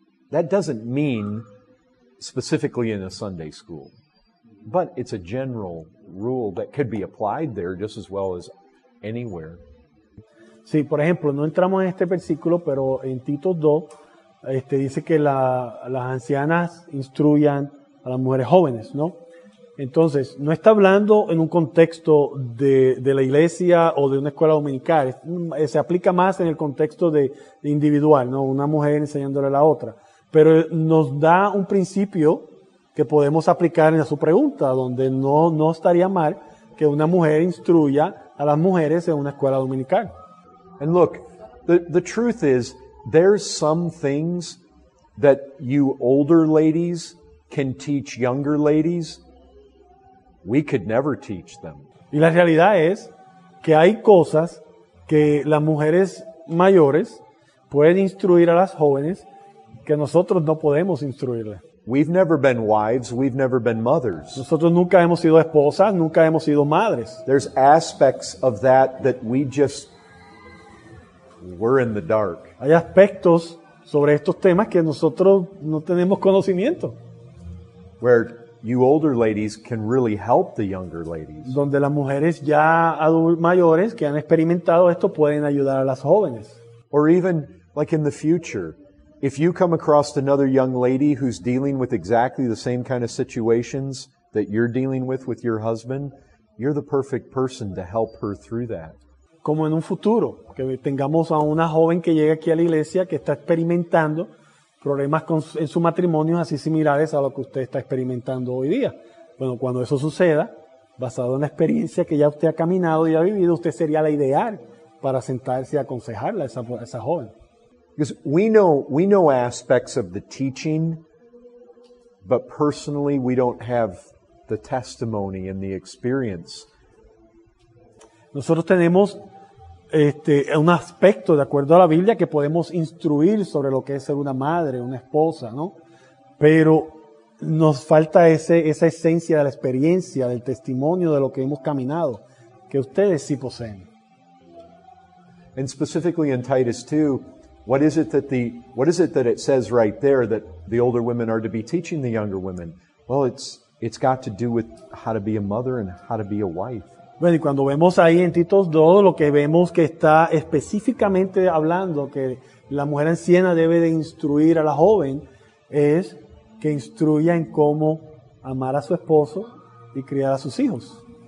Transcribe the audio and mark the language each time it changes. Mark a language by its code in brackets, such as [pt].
[en] That doesn't mean specifically in a Sunday school. But it's a general rule that could be applied there just as well as anywhere. [es] Sí, por ejemplo, no entramos en este versículo, pero en Tito 2 dice que las ancianas instruyan a las mujeres jóvenes, ¿no? Entonces, no está hablando en un contexto de la iglesia o de una escuela dominical. Se aplica más en el contexto de individual, ¿no? Una mujer enseñándole a la otra. Pero nos da un principio que podemos aplicar en su pregunta, donde no estaría mal que una mujer instruya a las mujeres en una escuela dominical. [en] And look, the truth is, there's some things that you older ladies can teach younger ladies. We could never teach them. [es] Y la realidad es que hay cosas que las mujeres mayores pueden instruir a las jóvenes que nosotros no podemos instruirle. [en] We've never been wives, we've never been mothers. [es] Nosotros nunca hemos sido esposas, nunca hemos sido madres. [en] There's aspects of that that we just we're in the dark. [es] Hay aspectos sobre estos temas que nosotros no tenemos conocimiento. [en] Where you older ladies can really help the younger ladies. [es] Donde las mujeres ya mayores que han experimentado esto pueden ayudar a las jóvenes. [en] Or even like in the future, if you come across another young lady who's dealing with exactly the same kind of situations that you're dealing with your husband, you're the perfect person to help her through that. [es] Como en un futuro, que tengamos a una joven que llegue aquí a la iglesia que está experimentando problemas en su matrimonio así similares a lo que usted está experimentando hoy día. Bueno, cuando eso suceda, basado en la experiencia que ya usted ha caminado y ha vivido, usted sería la ideal para sentarse y aconsejarla a esa joven. [en] Because we know aspects of the teaching, but personally we don't have the testimony and the experience. [es] Nosotros tenemos un aspecto de acuerdo a la Biblia que podemos instruir sobre lo que es ser una madre, una esposa, ¿no? Pero nos falta esa esencia de la experiencia, del testimonio de lo que hemos caminado, que ustedes sí poseen. [en] And specifically in Titus 2, what is it that it says right there that the older women are to be teaching the younger women? Well, it's got to do with how to be a mother and how to be a wife. [es] Bueno, y cuando vemos ahí en Tito 2, lo que vemos que está específicamente hablando que la mujer anciana debe de instruir a la joven es que instruya en cómo amar a su esposo y criar a sus hijos.